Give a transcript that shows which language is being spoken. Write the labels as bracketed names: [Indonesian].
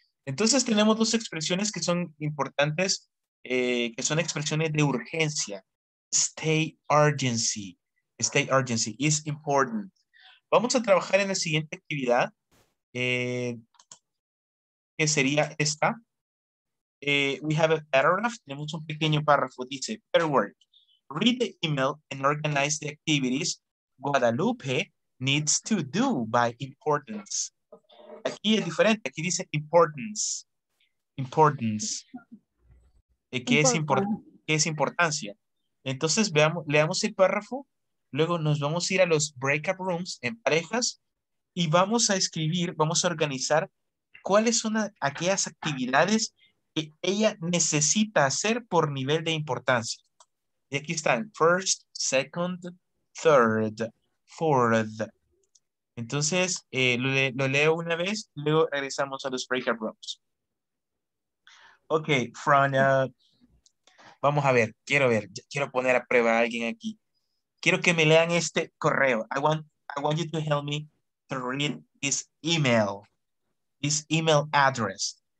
[Spanish] Entonces, tenemos dos expresiones que son importantes, que son expresiones de urgencia. [English] Stay urgency. Stay urgency is important. [Spanish] Vamos a trabajar en la siguiente actividad, que sería esta. [English] We have a paragraph. [Spanish] Tenemos un pequeño párrafo. Dice, [English] better work. Read the email and organize the activities Guadalupe needs to do by importance. [Spanish] Aquí es diferente. Aquí dice importance. Importance. ¿Qué es qué es importancia? Entonces, veamos, leamos el párrafo. Luego nos vamos a ir a los breakout rooms en parejas y vamos a escribir, vamos a organizar cuáles son aquellas actividades que ella necesita hacer por nivel de importancia. Y aquí están, [English] first, second, third, fourth. [Spanish] Entonces, lo leo una vez, luego regresamos a los breakout rooms. Ok, Frana, vamos a ver, quiero poner a prueba a alguien aquí. Quiero que me lean este correo. [English] I want you to help me to read this email address.